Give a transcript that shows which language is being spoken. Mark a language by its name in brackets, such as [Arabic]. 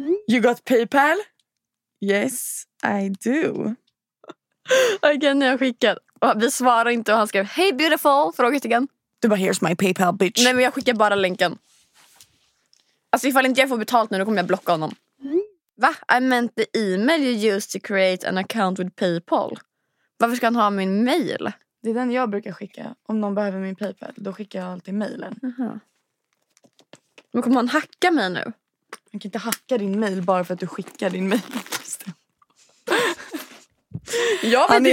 [English] You got PayPal? Yes, I do. [Swedish] Okej, nu har jag skickat. Vi svarar inte och han skrev [English] hey beautiful, [Swedish] frågetecken. Du bara, [English] here's my PayPal bitch. [Swedish] Nej, men jag skickar bara länken. Alltså ifall inte jag får betalt nu, då kommer jag blocka honom. Va? [English] I meant the email you used to create an account with PayPal. [Swedish] Varför ska han ha min mail? Det är den jag brukar skicka. Om någon behöver min PayPal, då skickar jag alltid mailen. Men kommer han hacka mig nu? Man kan inte hacka din mail bara för att du skickar din mail. Jag vet